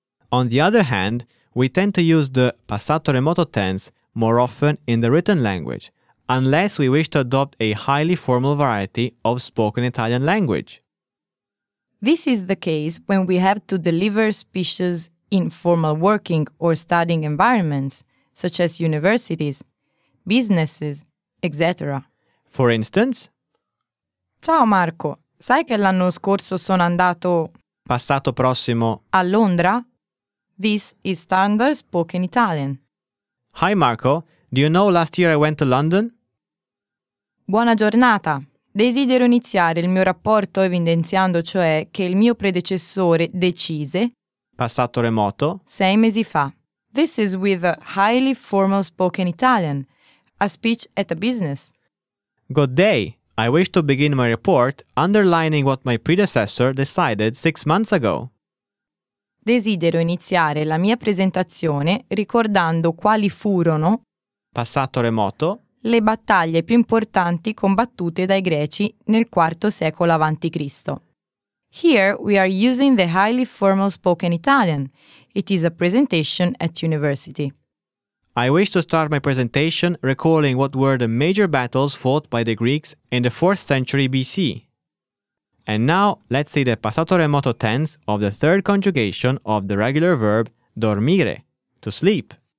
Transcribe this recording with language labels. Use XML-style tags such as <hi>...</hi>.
<en>On the other hand, we tend to use the passato remoto tense more often in the written language, unless we wish to adopt a highly formal variety of spoken Italian language. This is the case when we have to deliver speeches in formal working or studying environments, such as universities, businesses, etc. For instance?</en> <it>Ciao Marco, sai che l'anno scorso sono andato... Passato prossimo... A Londra?</it> <en>This is standard spoken Italian. Hi Marco, do you know last year I went to London?</en> <it>Buona giornata. Desidero iniziare il mio rapporto evidenziando cioè che il mio predecessore decise... Passato remoto. 6 mesi fa.</it> <en>This is with a highly formal spoken Italian, a speech at a business. Good day. I wish to begin my report underlining what my predecessor decided 6 months ago.</en> <it>Desidero iniziare la mia presentazione ricordando quali furono... Passato remoto. Le battaglie più importanti combattute dai Greci nel IV secolo avanti Cristo.</it> <en>Here we are using the highly formal spoken Italian. It is a presentation at university. I wish to start my presentation recalling what were the major battles fought by the Greeks in the 4th century BC. And now let's see the passato remoto tense of the third conjugation of the regular verb dormire, to sleep.</en>